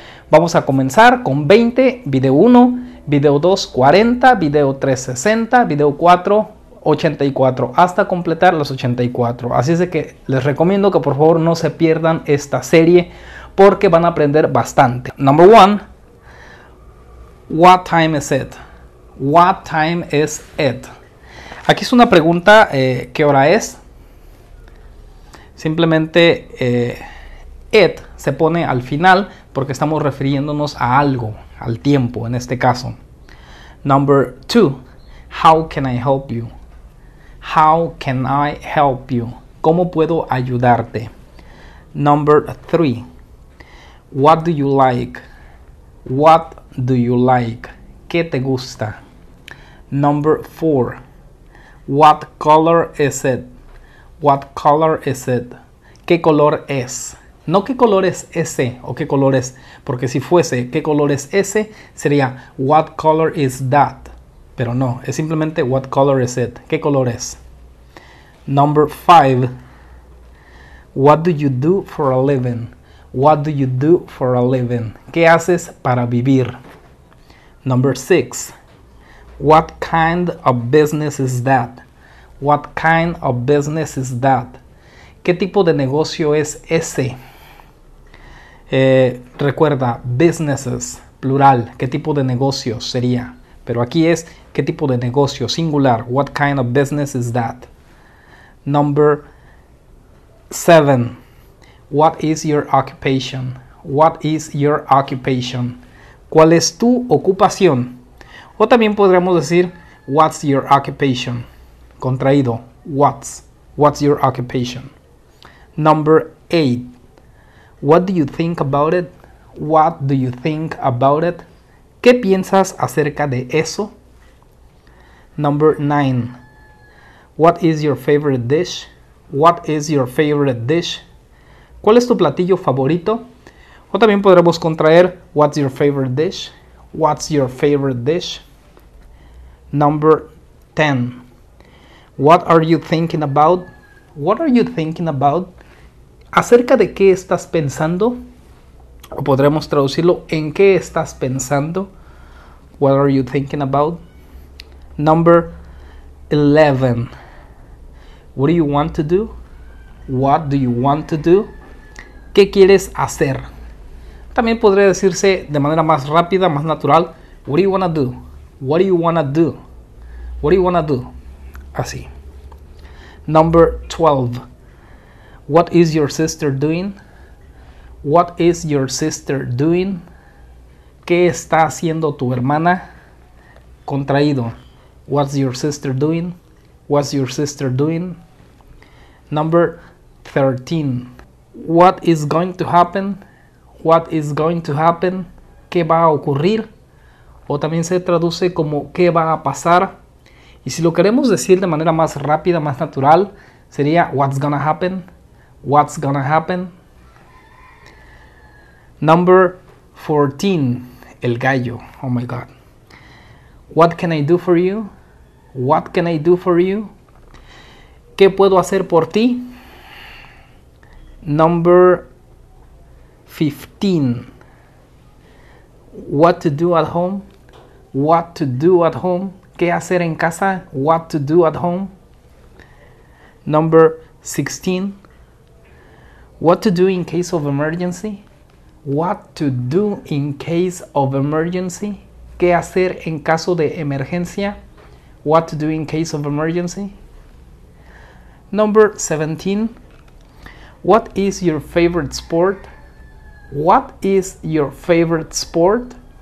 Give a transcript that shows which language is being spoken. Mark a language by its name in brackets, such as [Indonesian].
[Spanish] Vamos a comenzar con 20, video 1, video 2, 40, video 3, 60, video 4, 84, hasta completar los 84. Así es de que les recomiendo que por favor no se pierdan esta serie porque van a aprender bastante. [English] Number one, what time is it? What time is it? [Spanish] Aquí es una pregunta, ¿qué hora es? Simplemente, it se pone al final porque estamos refiriéndonos a algo, al tiempo en este caso. [English] Number two, how can I help you? How can I help you? [Spanish] ¿Cómo puedo ayudarte? [English] Number three, what do you like? What do you like? [Spanish] ¿Qué te gusta? [English] Number four, what color is it? What color is it? [Spanish] ¿Qué color es? No, ¿qué color es ese? O ¿qué color es? Porque si fuese ¿qué color es ese? Sería [English] what color is that? [Spanish] Pero no, es simplemente [English] what color is it? [Spanish] ¿Qué color es? [English] Number five, what do you do for a living? What do you do for a living? [Spanish] ¿Qué haces para vivir? [English] Number six, what kind of business is that? What kind of business is that? [Spanish] ¿Qué tipo de negocio es ese? Recuerda, businesses, plural. ¿Qué tipo de negocio sería? Pero aquí es, ¿qué tipo de negocio? Singular. [English] What kind of business is that? Number seven, what is your occupation? What is your occupation? [Spanish] ¿Cuál es tu ocupación? O también podríamos decir, [English] what's your occupation? Contraído, what's. What's your occupation? Number eight, what do you think about it? What do you think about it? [Spanish] ¿Qué piensas acerca de eso? [English] Number nine, what is your favorite dish? What is your favorite dish? [Spanish] ¿Cuál es tu platillo favorito? O también podremos contraer, [English] what's your favorite dish? What's your favorite dish? Number 10. What are you thinking about? What are you thinking about? [Spanish] ¿Acerca de qué estás pensando? O podremos traducirlo, ¿en qué estás pensando? [English] What are you thinking about? Number 11. What do you want to do? What do you want to do? [Spanish] ¿Qué quieres hacer? También podría decirse de manera más rápida, más natural, [English] what do you want to do? What do you want to do? What do you want to do? Así. Number 12. What is your sister doing? What is your sister doing? [Spanish] ¿Qué está haciendo tu hermana? Contraído. [English] What's your sister doing? What's your sister doing? Number 13. What is going to happen? What is going to happen? [Spanish] ¿Qué va a ocurrir? O también se traduce como ¿qué va a pasar? Y si lo queremos decir de manera más rápida, más natural, sería [English] what's gonna happen? What's gonna happen? Number 14, [Spanish] el gallo. [English] Oh my God. What can I do for you? What can I do for you? [Spanish] ¿Qué puedo hacer por ti? [English] Number 15. What to do at home? What to do at home? [Spanish] ¿Qué hacer en casa? [English] What to do at home? Number 16. What to do in case of emergency? What to do in case of emergency? [Spanish] ¿Qué hacer en caso de emergencia? [English] What to do in case of emergency? Number 17. What is your favorite sport? What is your favorite sport?